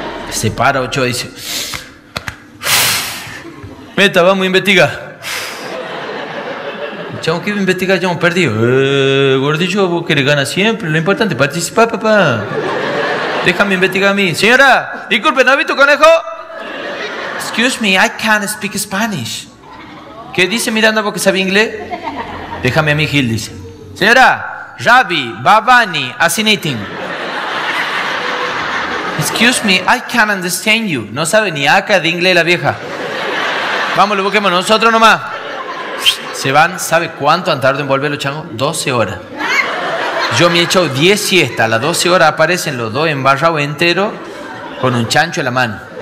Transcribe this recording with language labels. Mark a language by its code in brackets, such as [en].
[es] Se para Ochoa y dice, meta, vamos a investigar. Chamo, ¿qué investigar? Ya hemos perdido. Gordillo, vos querés ganar siempre. Lo importante es participar, papá. Déjame investigar a mí. Señora, disculpe, ¿no has visto conejo? [en] Excuse me, I can't speak Spanish. [es] ¿Qué dice Miranda vos que sabe inglés? Déjame a mí, Gil, dice. Señora, Ravi, Babani, Asinitin. [en] Excuse me, I can't understand you. [es] No sabe ni acá de inglés la vieja. Vamos, lo busquemos nosotros nomás. Se van, ¿sabe cuánto han tardado en volver los changos? 12 horas. Yo me he echado 10 siestas. A las 12 horas aparecen los dos embarrados enteros con un chancho en la mano.